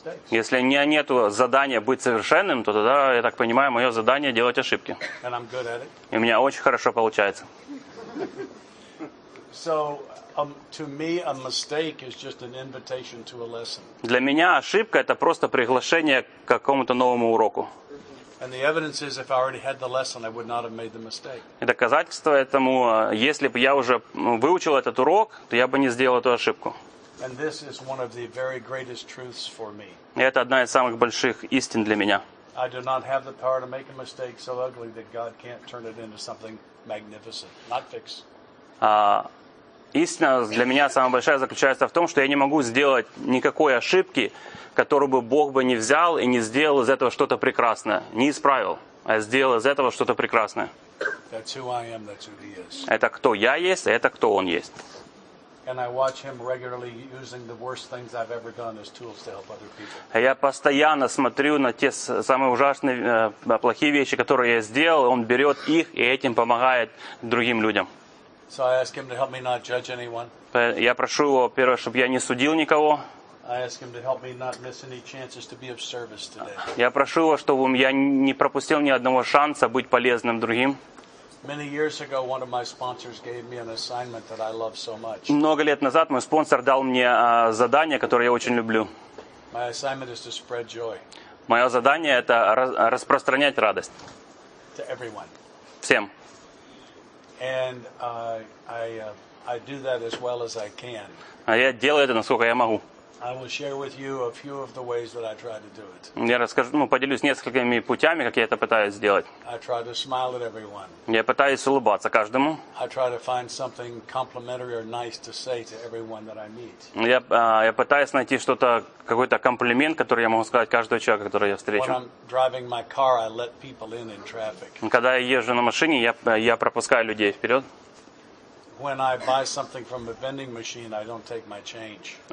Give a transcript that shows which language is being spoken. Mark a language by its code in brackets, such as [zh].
[ru] Если нет задания быть совершенным, то тогда, я так понимаю, мое задание делать ошибки. [en] And I'm good at it. [ru] И у меня очень хорошо получается. [en] So, to me, a mistake is just an invitation to a lesson. [ru] Для меня ошибка — это просто приглашение к какому-то новому уроку. [en] And the evidence is, if I already had the lesson, I would not have made the mistake. [ru] И доказательство этому, если бы я уже выучил этот урок, то я бы не сделал эту ошибку. [en] And this is one of the very greatest truths for me. [ru] И это одна из самых больших истин для меня. [en] I do not have the power to make a mistake so ugly that God can't turn it into something magnificent, not fix. [ru] Истина для меня самая большая заключается в том, что я не могу сделать никакой ошибки, которую бы Бог бы не взял и не сделал из этого что-то прекрасное. Не исправил, а сделал из этого что-то прекрасное. [en] That's who I am, that's who he is. [ru] Это кто я есть, это кто Он есть. [en] And I watch him regularly using the worst things I've ever done as tools to help other people. [ru] Я постоянно смотрю на те самые ужасные, плохие вещи, которые я сделал, он берет их и этим помогает другим людям. [en] So I ask him to help me not judge anyone. [ru] Я прошу его, первое, чтобы я не судил никого. [en] I ask him to help me not miss any chances to be of service today. [ru] Я прошу его, чтобы я не пропустил ни одного шанса быть полезным другим. [en] Many years ago, one of my sponsors gave me an assignment that I love so much. [ru] Много лет назад мой спонсор дал мне задание, которое я очень люблю. [en] My assignment is to spread joy. [ru] Мое задание — это распространять радость. [en] To everyone. [ru] Всем. [en] And I do that as well as I can. [ru] А я делаю это, насколько я могу. [en] I will share with you a few of the ways that I try to do it. [ru] Я расскажу, поделюсь несколькими путями, как я это пытаюсь сделать. [en] I try to smile at everyone. [ru] Я пытаюсь улыбаться каждому. [en] I try to find something complimentary or nice to say to everyone that I meet. [ru] Я пытаюсь найти что-то, какой-то комплимент, который я могу сказать каждому человеку, которого я встречу. [en] When I'm driving my car, I let people in traffic. [ru] Когда я езжу на машине, я пропускаю людей вперед. [en] When I buy something from a vending machine, I don't take my change.